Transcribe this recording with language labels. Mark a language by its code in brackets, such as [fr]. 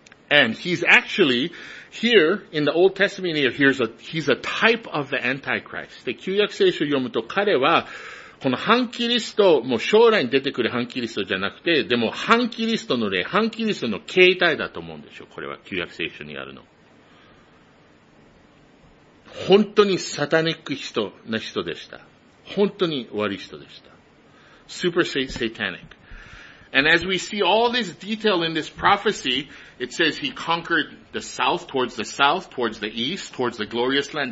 [en] And he's actually here in the Old Testament, he's a type of the Antichrist. で、 [ja] 旧約聖書を読むと彼は、この反キリスト、もう将来に出てくる反キリストじゃなくて、でも反キリストの例、反キリストの形態だと思うんでしょう。これは旧約聖書にあるの。本当にサタニック人な人でした。本当に悪い人でした。 [en] Super satanic. And as we see all this detail in this prophecy, it says he conquered the south, towards the south, towards the east, towards the glorious land.